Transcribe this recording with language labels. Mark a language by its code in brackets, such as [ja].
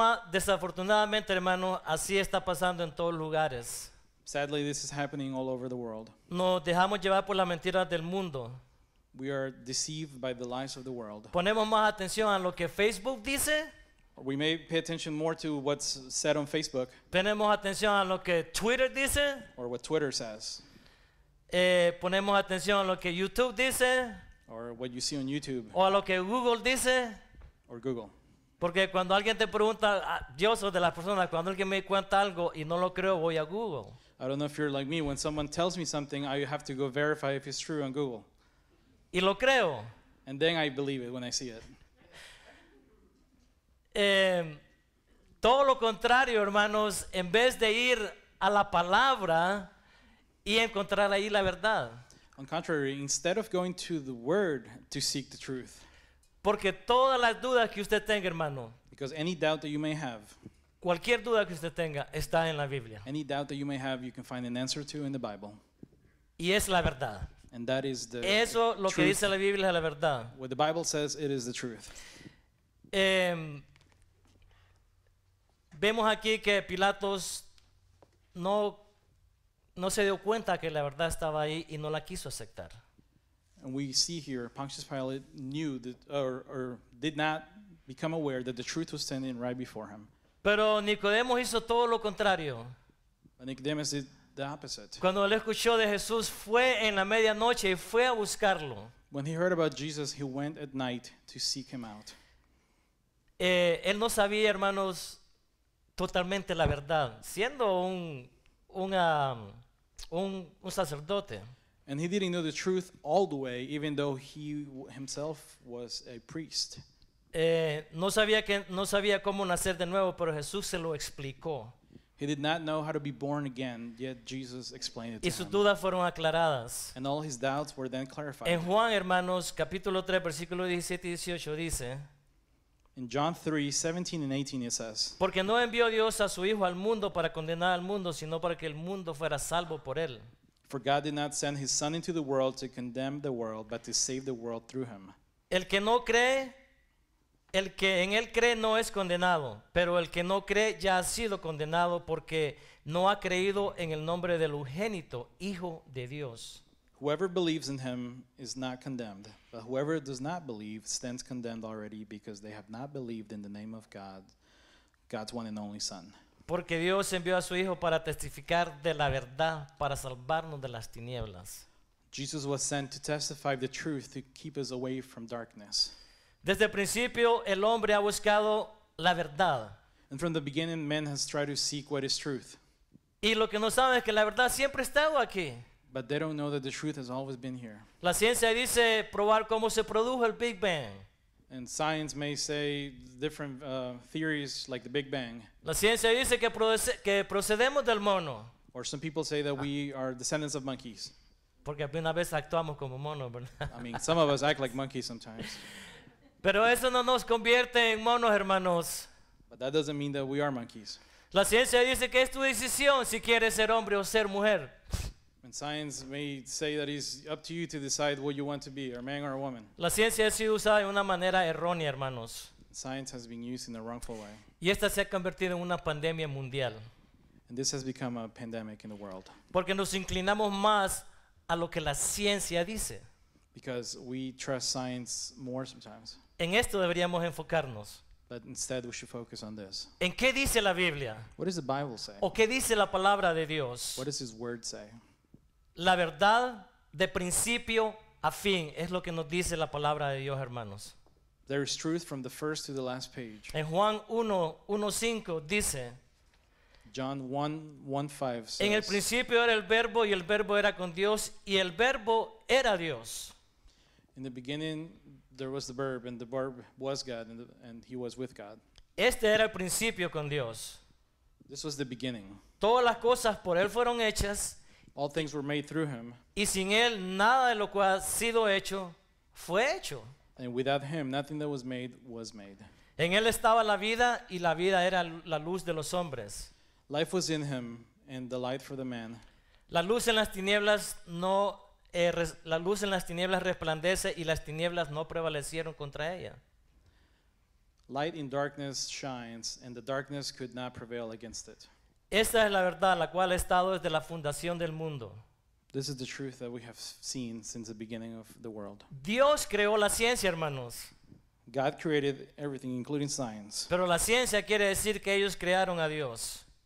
[es] Desafortunadamente, hermano, así está pasando en todos lugares. [en] Sadly, this is happening all over the world. [es] Nos dejamos llevar por las mentiras del mundo. [en] We are deceived by the lies of the world. [es] Ponemos más atención a lo que Facebook dice. [en] We may pay attention more to what's said on Facebook. [es] Ponemos atención a lo que Twitter dice. [en] Or what Twitter says. [es] Ponemos atención a lo que YouTube dice. [en] Or what you see on YouTube. [es] O a lo que Google dice. [en] Or Google. [es] Porque cuando alguien te pregunta, yo soy de las personas, cuando alguien me cuenta algo y no lo creo, voy a Google. [en] I don't know if you're like me. When someone tells me something, I have to go verify if it's true on Google. [es] Y lo creo. [en] And then I believe it when I see it. [es] Todo lo contrario, hermanos, en vez de ir a la palabra y encontrar ahí la verdad. [en] On contrary, instead of going to the word to seek the truth. [es] Porque todas las dudas que usted tenga, hermano. [en] Because any doubt that you may have. [es] Cualquier duda que usted tenga está en la Biblia. [en] Any doubt that you may have, you can find an answer to in the Bible. [es] Y es la verdad. [en] And that is the [es] Eso lo [en] truth. [es] Que dice la Biblia es la verdad. [en] What the Bible says, it is the truth. [es] Vemos aquí que Pilatos no se dio cuenta que la verdad estaba ahí y no la quiso aceptar. [en] And we see here Pontius Pilate knew that or did not become aware that the truth was standing right before him. [es] Pero Nicodemo hizo todo lo contrario. [en] But Nicodemus did the opposite. [es] Cuando él escuchó de Jesús, fue en la medianoche y fue a buscarlo. [en] When he heard about Jesus, he went at night to seek him out. [es] Él no sabía, hermanos, totalmente la verdad. Siendo un un sacerdote. [en] And he didn't know the truth all the way, even though he himself was a priest. [es] No sabía cómo nacer de nuevo, pero Jesús se lo explicó. [en] He did not know how to be born again, yet Jesus explained it to him. [es] Y sus dudas fueron aclaradas. [en] And all his doubts were then clarified. [es] En Juan, hermanos, capítulo 3, versículo 17 y 18 dice, [en] in John 3, 17 and 18 it says, [es] porque no envió Dios a su hijo al mundo para condenar al mundo, sino para que el mundo fuera salvo por él. [en] For God did not send his son into the world to condemn the world, but to save the world through him. [es] El que no cree, el que en él cree no es condenado, pero el que no cree ya ha sido condenado porque no ha creído en el nombre del unigénito, Hijo de Dios. [en] Whoever believes in him is not condemned, but whoever does not believe stands condemned already because they have not believed in the name of God, God's one and only Son. [es] Porque Dios envió a su Hijo para testificar de la verdad, para salvarnos de las tinieblas. [en] Jesus was sent to testify the truth to keep us away from darkness. [es] Desde el principio el hombre ha buscado la verdad. [en] And from the beginning man has tried to seek what is truth. [es] Y lo que no saben es que la verdad siempre ha estado aquí. [en] But they don't know that the truth has always been here. [es] La ciencia dice probar cómo se produjo el Big Bang. [en] And science may say different theories like the Big Bang. [es] La ciencia dice que procedemos del mono. [en] Or some people say that we are descendants of monkeys. [es] Porque una vez actuamos como mono, [en] I mean, some of us act like monkeys sometimes. [es] Pero eso no nos convierte en monos, hermanos. [en] But that doesn't mean that we are monkeys. [es] La ciencia dice que es tu decisión si quieres ser hombre o ser mujer. [en] And science may say that it's up to you to decide what you want to be, a man or a woman. [es] La ciencia ha sido usada de una manera errónea, hermanos. [en] Science has been used in a wrongful way. [es] Y esta se ha convertido en una pandemia mundial. [en] And this has become a pandemic in the world. [es] Porque nos inclinamos más a lo que la ciencia dice. [en] Because we trust science more sometimes. [es] En esto deberíamos enfocarnos. [en] But instead we should focus on this. [es] ¿En qué dice la Biblia? [en] What does the Bible say? [es] ¿O qué dice la palabra de Dios? [en] What does his word say? [es] La verdad de principio a fin es lo que nos dice la palabra de Dios, hermanos. [en] There is truth from the first to the last page. [es] En Juan 1:5 dice, [en] John 1:5 says, [es] en el principio era el verbo y el verbo era con Dios y el verbo era Dios. [en] In the beginning there was the verb and the verb was God and he was with God. [es] Este era el principio con Dios. [en] This was the beginning. [es] Todas las cosas por él fueron hechas. [en] All things were made through him. [es] Y sin él nada de lo que ha sido hecho fue hecho. [en] And without him nothing that was made was made. [es] En él estaba la vida y la vida era la luz de los hombres. [en] Life was in him and the light for the man. [es] La luz en las tinieblas no la luz en las tinieblas resplandece y las tinieblas no prevalecieron contra ella. [en] Light in darkness shines and the darkness could not prevail against it. [es] Esta es la verdad la cual ha estado desde la fundación del mundo. [en] This is the truth that we have seen since the beginning of the world. [es] Dios creó la ciencia, hermanos. [en] God created everything, including science. [es] Pero la ciencia quiere decir que ellos crearon a Dios.